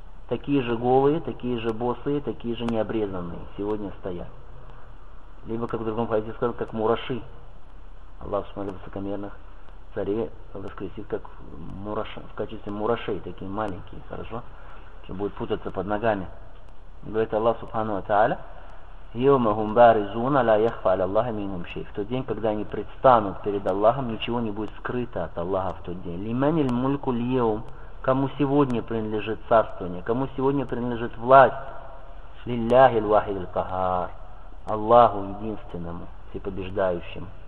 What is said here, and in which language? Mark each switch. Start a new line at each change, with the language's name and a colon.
Russian: Такие же голые, такие же босые, такие же необрезанные сегодня стоят. Либо, как в другом хадисе сказано, как мураши. Аллах смотрит высокомерных царей, воскресит как мураши, в качестве мурашей, такие маленькие, хорошо, что будет путаться под ногами. Говорит Аллах Субхану ва Тааля,
Arabic: يومهم بارزون لا يخفى على الله منهم شيء.
Russian: В тот день, когда они предстанут перед Аллахом, ничего не будет скрыто от Аллаха в тот день.
Arabic: لمن الملك اليوم,
Russian: кому сегодня принадлежит царствование, кому сегодня принадлежит власть?
Arabic: لله الواحد القهار,
Russian: Аллаху единственному, всепобеждающему.